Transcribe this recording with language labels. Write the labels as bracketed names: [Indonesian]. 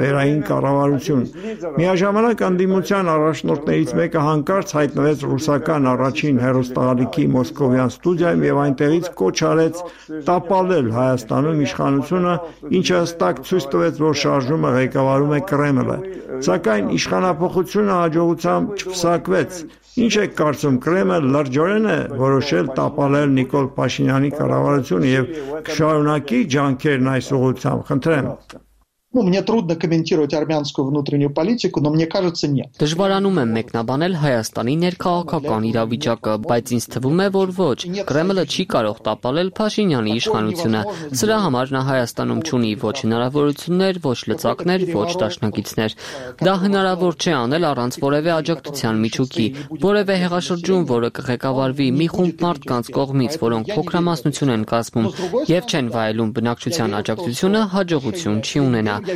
[Armenian] այն կառավարություն։ Միաժամանակ անդիմության առաջնորդներից մեկը հանկարծ հայտնվեց ռուսական առաջին հեռուստաալիքի մոսկովյան ստուդիայում և այնտեղից կոչ արեց տապալել Հայաստանում իշխանությունը, ինչը հստակ ցույց տվեց, որ շարժումը ղեկավարում է Կրեմլը։ Սակայն իշխանափոխությունը հաջողությամբ չփսակվեց։ Ինչ եք կարծում, Կրեմը լրջորեն է որոշել տապալել Նիկոլ Փաշինյանի կառավարությունը և կշարունակի ջանքերն այս ուղղությամբ։ Խնդրեմ։ [Russian] Ну, мне трудно комментировать армянскую внутреннюю политику, но мне кажется, нет. [Armenian] Դժվարանում եմ մեկնաբանել Հայաստանի ներքաղաքական իրավիճակը, բայց ինձ թվում է, որ ոչ, Կրեմլը չի կարող տապալել Փաշինյանի իշխանությունը։ Սրա համար նա Հայաստանում չունի ոչ հնարավորություններ, ոչ լծակներ, ոչ դաշնակիցներ։ Դա հնարավոր չէ անել առանց որևէ աջակցության միջուկի, որևէ հեղաշրջում, որը կղեկավարվի մի խումբ մարդկանց կողմից, որոնք փոքրամասնություն են կազմում և չեն վայելում բնակչության աջակցությունը, հաջողություն չի ունենա։